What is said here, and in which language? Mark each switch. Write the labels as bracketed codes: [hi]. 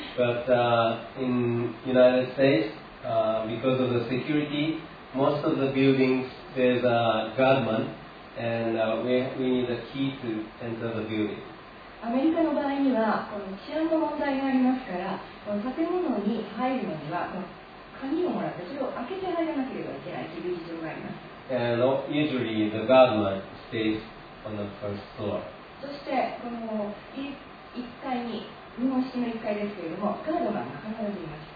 [en] But in United States, because of the security, most of the buildings there's a guardman, and we need a key to enter the building. [ja] アメリカの場合にはこの治安の問題がありますから、この建物に入るのにはこの鍵をもらってそれを開けて入らなければいけない厳しい事情があります。 [en] And usually the guardman stays on the first floor. [ja] そしてこの1階に日本式の1階ですけれども、ガードマンが必ずいます。